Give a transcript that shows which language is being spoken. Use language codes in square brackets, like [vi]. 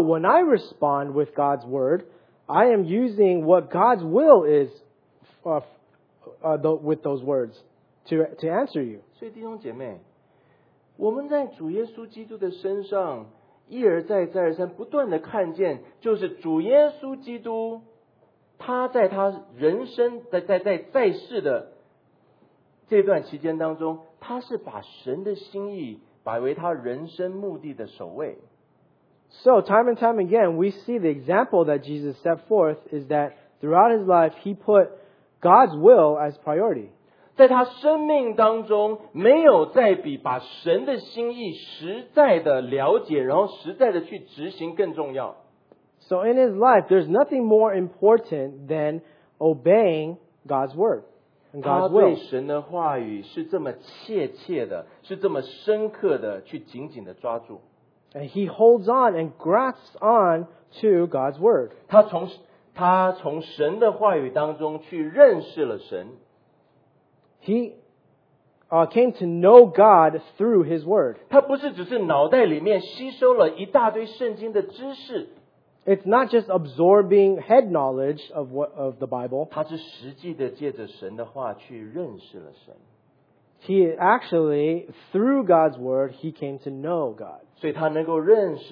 [en] when I respond with God's word, I am using what God's will is with those words to answer you. [zh] 所以弟兄姐妹,我们在主耶稣基督的身上 一而再再而三不断的看见就是主耶稣基督他在他人生在世的这段期间当中他是把神的心意摆为他人生目的的首位。 [en] So time and time again, we see the example that Jesus set forth is that throughout his life, he put God's will as priority. [zh] 在他生命当中没有再比把神的心意实在的了解然后实在的去执行更重要。 [en] So in his life, there's nothing more important than obeying God's word. and God's will. [zh] 他对神的话语是这么切切的，是这么深刻的去紧紧的抓住。 [en] And he holds on and grasps on to God's word. [zh] 他从神的话语当中去认识了神。 [en] He came to know God through his word. [zh] 他不是只是脑袋里面吸收了一大堆圣经的知识。 [en] It's not just absorbing head knowledge of the Bible. He actually, through God's word, he came to know God.